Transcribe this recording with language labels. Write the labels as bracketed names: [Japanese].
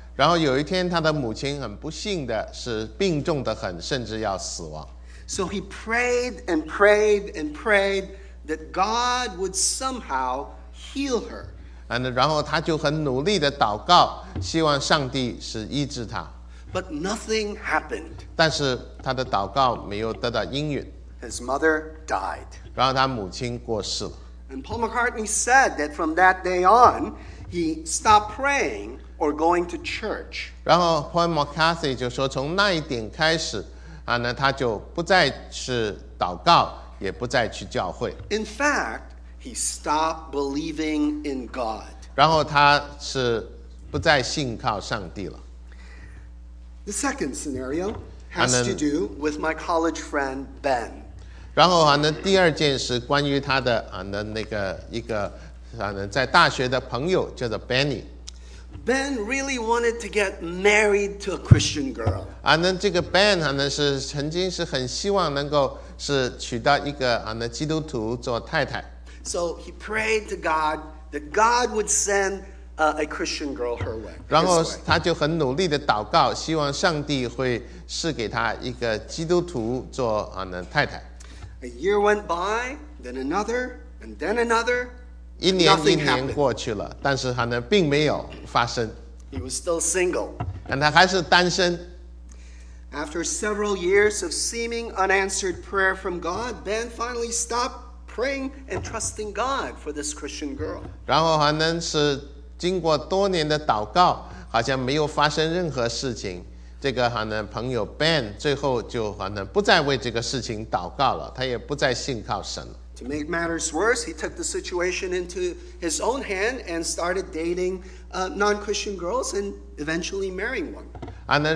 [Chinese] 然后有一天他的母亲很不幸的是病重的很甚至要死亡。 [English] So he prayed and prayed and prayed that God would somehow heal her. [Chinese] 然后他就很努力的祷告希望上帝是医治他。 [English] But nothing happened. [Chinese] 但是他的祷告没有得到应允。 [English] His mother died. [Chinese] 然后他母亲过世了。 [English] And Paul McCartney said that from that day on, he stopped praying. Or going to church. [Chinese] 然后 Paul McCartney 就说从那一点开始他就不再去祷告也不再去教会。 [English] In fact, he stopped believing in God. [Chinese] 然后他是不再信靠上帝了。 [English] The second scenario has to do with my college friend Ben. [Chinese] 然后第二件是关于他的那个一个在大学的朋友叫做 Benny。 [English] Ben really wanted to get married to a Christian girl. [Chinese] 这个 Ben 是曾经是很希望能够是娶到一个基督徒做太太。 [English] So he prayed to God that God would send a Christian girl her way. [Chinese] 然后他就很努力的祷告，希望上帝会赐给他一个基督徒做太太。 [English] A year went by, then another, and then another. [Chinese] 一年一年过去了，但是并没有发生。 [English] He was still single. [Chinese] 他还是单身。 [English] After several years of seeming unanswered prayer from God, Ben finally stopped praying and trusting God for this Christian girl. [Chinese] 然后是经过多年的祷告，好像没有发生任何事情。这个朋友 Ben 最后就不再为这个事情祷告了，他也不再信靠神了。 [English] To make matters worse, he took the situation into his own hand and started dating non-Christian girls and eventually marrying one.